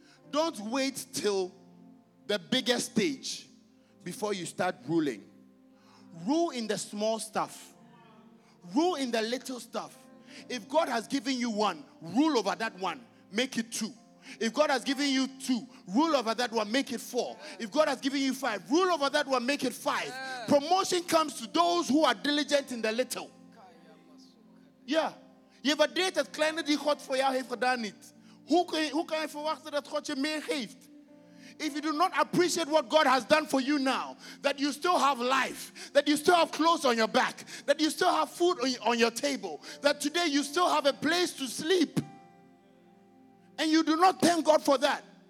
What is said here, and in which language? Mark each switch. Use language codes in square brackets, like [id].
[en] Don't wait till the biggest stage before you start ruling. Rule in the small stuff. Rule in the little stuff. If God has given you one, rule over that one. Make it two. If God has given you two, rule over that one. Make it four. Yeah. If God has given you five, rule over that one. Make it five. Yeah. Promotion comes to those who are diligent in the little. Yeah. [nl] Je hebt waardeerd het kleine die God voor jou heeft gedaan niet. Hoe kan je verwachten dat God je meer geeft? [en] If you do not appreciate what God has done for you now, that you still have life, that you still have clothes on your back, that you still have food on your table, that today you still have a place to sleep, and you do not thank God for that.